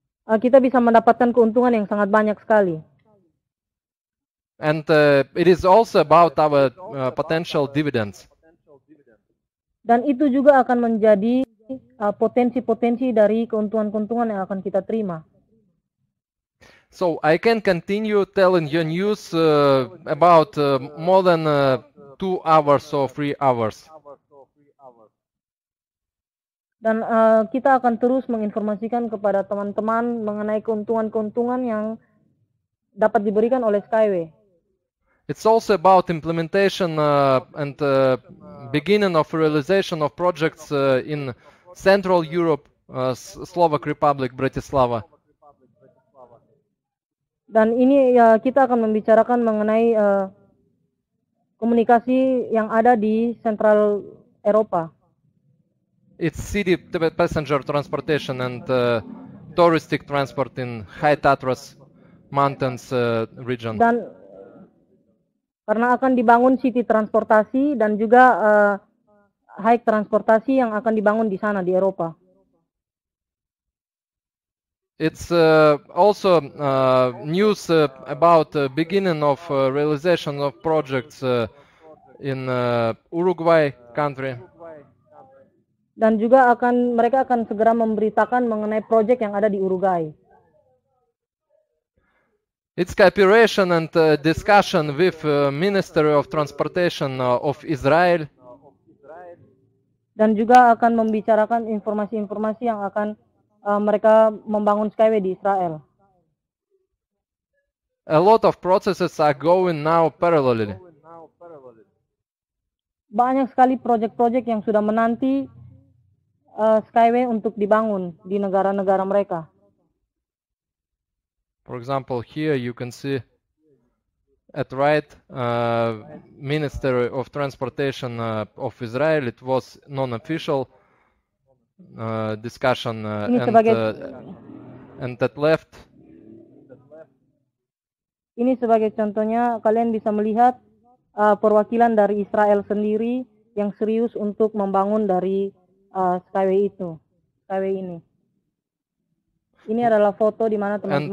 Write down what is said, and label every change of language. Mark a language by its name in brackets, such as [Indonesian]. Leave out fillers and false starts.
[Indonesian] Kita bisa mendapatkan keuntungan yang sangat banyak sekali. [English] And it is also about our potential dividends. [Indonesian] Dan itu juga akan menjadi potensi-potensi dari keuntungan-keuntungan yang akan kita terima. [English] So I can continue telling your news about more than 2 hours or 3 hours. [Indonesian] Dan kita akan terus menginformasikan kepada teman-teman mengenai keuntungan-keuntungan yang dapat diberikan oleh Skyway. [English] It's also about implementation and beginning of realization of projects in Central Europe, Slovak Republic, Bratislava. [Indonesian] Dan ini kita akan membicarakan mengenai komunikasi yang ada di Central Eropa. [English] It's city passenger transportation and touristic transport in High Tatras Mountains region. [Indonesian] Dan karena akan dibangun city transportasi dan juga high transportasi yang akan dibangun di sana di Eropa. [English] It's also news about beginning of realization of projects in Uruguay country. [Indonesian] Dan juga akan mereka akan segera memberitakan mengenai proyek yang ada di Uruguay. [English] It's cooperation and discussion with Ministry of Transportation of Israel. [Indonesian] Dan juga akan membicarakan informasi-informasi yang akan mereka membangun Skyway di Israel. [English] A lot of processes are going now parallelly. [Indonesian] Banyak sekali proyek-proyek yang sudah menanti Skyway untuk dibangun di negara-negara mereka. [English] For example, here you can see at right Ministry of Transportation of Israel. It was non-official discussion, and at left. [Indonesian] Ini sebagai contohnya, kalian bisa melihat perwakilan dari Israel sendiri yang serius untuk membangun dari Skyway itu, Skyway ini. Ini adalah foto di mana teman-teman.